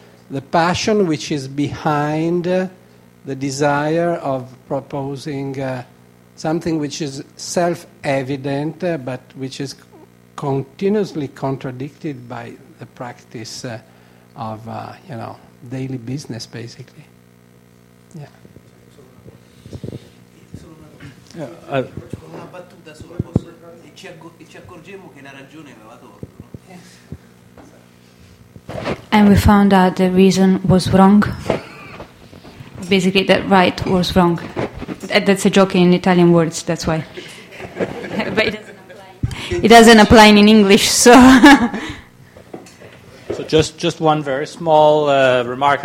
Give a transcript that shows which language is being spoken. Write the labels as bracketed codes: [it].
[en] The passion which is behind the desire of proposing something which is self-evident, but which is continuously contradicted by the practice of, you know, daily business, basically. Yeah. [it] Una battuta solo, posso, e ci accorgemmo che la ragione aveva torto. [en] And we found out the reason was wrong. Basically, that right was wrong. That's a joke in Italian words, that's why. But it doesn't apply in English, so... So just one very small remark.